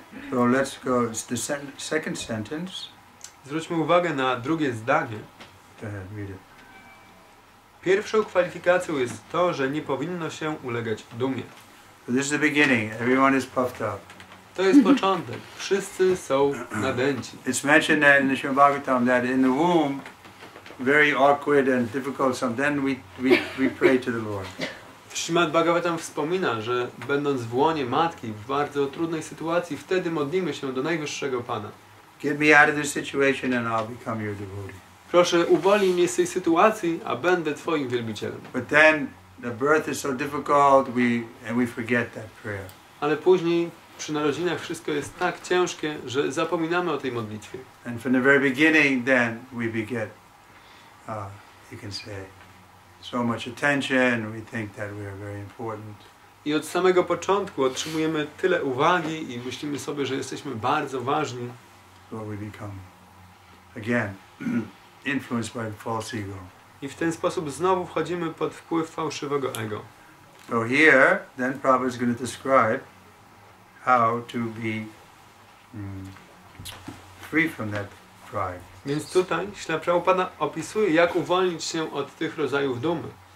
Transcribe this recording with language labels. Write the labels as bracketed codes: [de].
[en] So let's go to the second sentence. [pl] Zwróćmy uwagę na drugie zdanie. [en] Go ahead, read it. [pl] Pierwszą kwalifikacją jest to, że nie powinno się ulegać dumie. [en] So this is the beginning. Everyone is puffed up. [pl] To jest początek. Wszyscy są nadęci. [en] It's mentioned that in the Śrīmad Bhāgavatam that in the womb, very awkward and difficult, so then we pray to the Lord. [pl] Śrīmad Bhāgavatam wspomina, że będąc w łonie matki, w bardzo trudnej sytuacji, wtedy modlimy się do Najwyższego Pana. [en] Get me out of this situation and I'll become your devotee. [pl] Proszę, uwolnij mnie z tej sytuacji, a będę twoim wielbicielem. [en] But then the birth is so difficult, we forget that prayer. [pl] Ale później przy narodzinach wszystko jest tak ciężkie, że zapominamy o tej modlitwie. [en] And from the very beginning then we get you can say so much attention, we think that we are very important. [pl] I od samego początku otrzymujemy tyle uwagi i myślimy sobie, że jesteśmy bardzo ważni. [en] What we become again influenced by the false ego. [pl] I w ten sposób znowu wchodzimy pod wpływ fałszywego ego. [en] So here then Prabhupada is going to describe how to be free from that pride. [pl] Więc tutaj Śrīla Prabhupada opisuje, jak uwolnić się od tych rodzajów dumy.